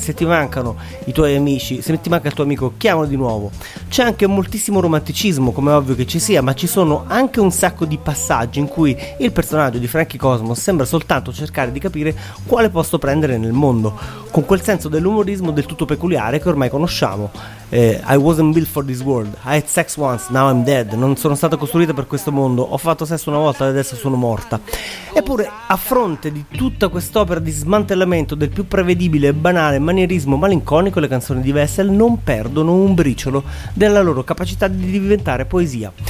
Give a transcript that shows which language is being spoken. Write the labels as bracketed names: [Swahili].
[Italian] Se ti mancano i tuoi amici, se ti manca il tuo amico, chiamalo di nuovo. C'è anche moltissimo romanticismo, come è ovvio che ci sia, ma ci sono anche un sacco di passaggi in cui il personaggio di Frankie Cosmos sembra soltanto cercare di capire quale posto prendere nel mondo, con quel senso dell'umorismo del tutto peculiare che ormai conosciamo. [English] I wasn't built for this world, I had sex once, now I'm dead. [Italian] Non sono stata costruita per questo mondo, ho fatto sesso una volta e adesso sono morta. Eppure, a fronte di tutta quest'opera di smantellamento del più prevedibile e banale manierismo malinconico, le canzoni di Vessel non perdono un briciolo della loro capacità di diventare poesia.